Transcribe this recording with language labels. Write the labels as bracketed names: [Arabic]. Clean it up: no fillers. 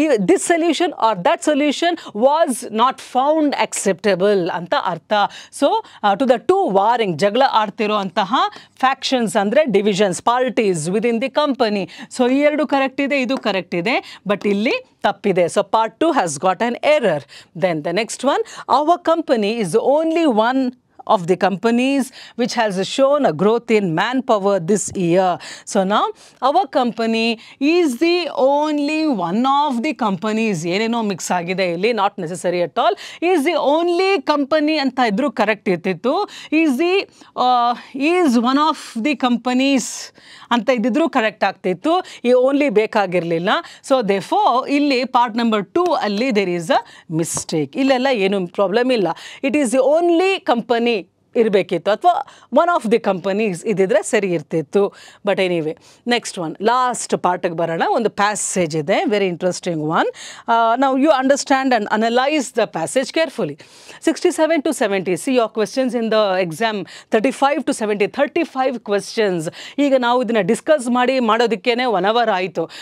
[English] this solution or that solution was not found acceptable [Kannada] ಅಂತ ಅರ್ಥ. [English] so to the two warring, [Kannada] ಜಗಳ ಆಡ್ತಿರೋಂತಹ [English] Factions ಅಂದರೆ divisions, parties within the company. [Kannada] So ಈ ಎರಡು correct ಇದೆ, ಇದು ಕರೆಕ್ಟ್ ಇದೆ, ಬಟ್ ಇಲ್ಲಿ ತಪ್ಪಿದೆ. [English] So part two has got an error. Then the next one, our company is the only one of the companies which has shown a growth in manpower this year. So now our company is the only one of the companies, [Kannada] yeneno mix agide illi, [English] not necessary at all, is the only company anta idru correct ittitu, is the is one of the companies anta idru correct aagtittu, ee only bekagirilla. [Kannada] So therefore illi part number 2 alli [English] there is a mistake, [Kannada] illella yenu problem illa, it is the only company ಇರಬೇಕಿತ್ತು ಅಥವಾ one of the companies ಇದ್ದಿದ್ರೆ ಸರಿ ಇರ್ತಿತ್ತು. But anyway, next one, last ಪಾರ್ಟಿಗೆ ಬರೋಣ. ಒಂದು passage ಇದೆ, very interesting one. [English] Now you understand and analyse the passage carefully. 67 to 70, see your questions in the exam. [Kannada] 35 to 70 questions. ಈಗ ನಾವು ಇದನ್ನು ಡಿಸ್ಕಸ್ ಮಾಡೋದಕ್ಕೇ ಒನ್ ಅವರ್ ಆಯಿತು.